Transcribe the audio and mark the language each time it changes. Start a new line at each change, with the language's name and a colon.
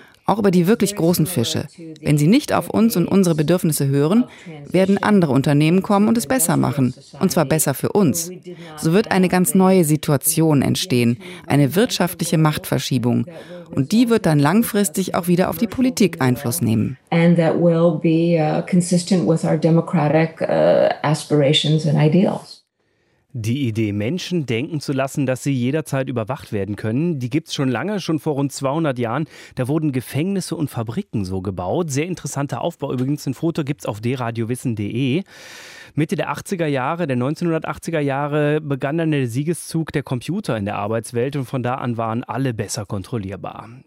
German: Auch über die wirklich großen Fische. Wenn sie nicht auf uns und unsere Bedürfnisse hören, werden andere Unternehmen kommen und es besser machen. Und zwar besser für uns. So wird eine ganz neue Situation entstehen. Eine wirtschaftliche Machtverschiebung. Und die wird dann langfristig auch wieder auf die Politik Einfluss nehmen.
English: And that will be consistent with our democratic aspirations and ideals.
German: Die Idee, Menschen denken zu lassen, dass sie jederzeit überwacht werden können, die gibt's schon lange, schon vor rund 200 Jahren. Da wurden Gefängnisse und Fabriken so gebaut. Sehr interessanter Aufbau übrigens. Ein Foto gibt's auf dradiowissen.de. Mitte der 80er Jahre, der 1980er Jahre, begann dann der Siegeszug der Computer in der Arbeitswelt und von da an waren alle besser kontrollierbar.